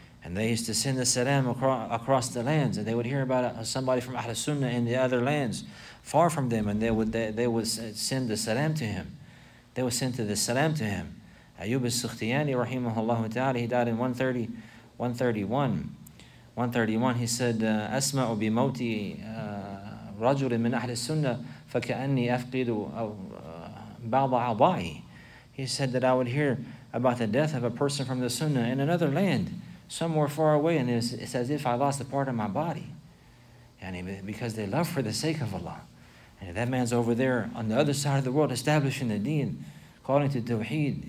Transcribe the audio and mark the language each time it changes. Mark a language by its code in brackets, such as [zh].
[en] And they used to send the salam across the lands, and they would hear about somebody from Ahl Sunnah in the other lands, far from them, and they would send the salam to him. They would send the salam to him. Ayyub al-Sukhtiyani, rahimahullah ta'ala, he died in 131. He said, [ar] أَسْمَعُ بِمَوْتِ رَجُلٍ مِنْ أَحْلِ السُّنَّةِ فَكَأَنِّي أَفْقِدُ بَعْضَ عَضَائِي. [en] He said that I would hear about the death of a person from the Sunnah in another land, somewhere far away, and it's as if I lost a part of my body. And because they love for the sake of Allah. And that man's over there on the other side of the world establishing the deen, calling to Tawheed.